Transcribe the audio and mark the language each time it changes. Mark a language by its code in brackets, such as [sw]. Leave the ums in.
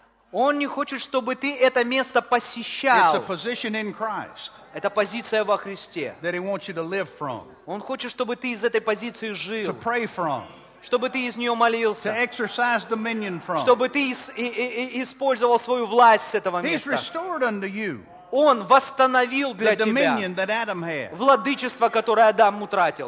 [ru] Он не хочет, чтобы ты это место посещал. [en] It's a position in Christ. [ru] Это позиция во Христе. [en] That he wants you to live from. [ru] Он хочет, чтобы ты из этой позиции жил. [en] To pray from. [ru] Чтобы ты из нее молился. [en] To exercise dominion from. [ru] Чтобы ты использовал свою власть с этого [en] He's [ru] места. [en] Restored unto you. [ru] Он восстановил для тебя владычество, которое Адам утратил.